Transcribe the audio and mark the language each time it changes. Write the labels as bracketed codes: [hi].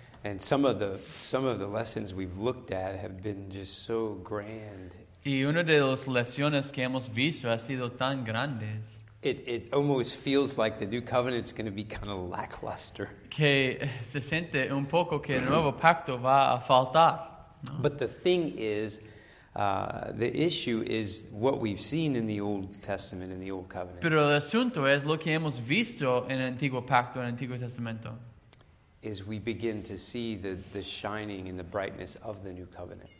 [en] And some of the lessons we've looked at have been just so grand. [es] Y una de las lecciones que hemos visto ha sido tan grandes. [en] It almost feels like the new covenant's going to be kind of lackluster. [es] Que se siente un poco que el nuevo pacto va a faltar. [en] But the thing is, the issue is what we've seen in the Old Testament, in the Old Covenant. [es] Pero el asunto es lo que hemos visto en el Antiguo Pacto, en el Antiguo Testamento. [en] Is we begin to see the shining and the brightness of the new covenant.